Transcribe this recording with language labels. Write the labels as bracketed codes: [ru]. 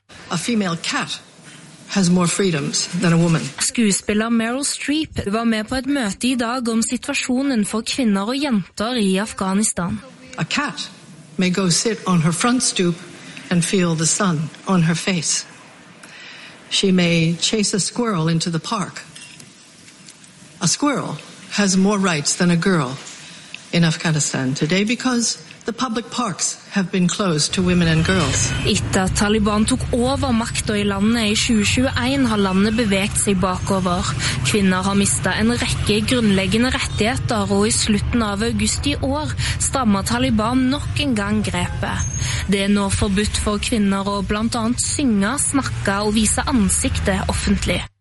[en] A female cat has more freedoms than a woman. [no] Skuespiller Meryl Streep var med på et møte I dag om situasjonen for kvinner og jenter I Afghanistan. [en] A cat may go sit on her front stoop and feel the sun on her face. She may chase a squirrel into the park. A squirrel has more rights than a girl in Afghanistan today because the public parks have been closed to women and girls. [no] Etter at Taliban tok over makten I landet I 2021 har landet bevegt seg bakover. Kvinner har mistet en rekke grunnleggende rettigheter og I slutten av august I år strammet Taliban nok en gang grepet. Det nå forbudt for kvinner å blant annet synge, snakke og vise ansiktet offentlig.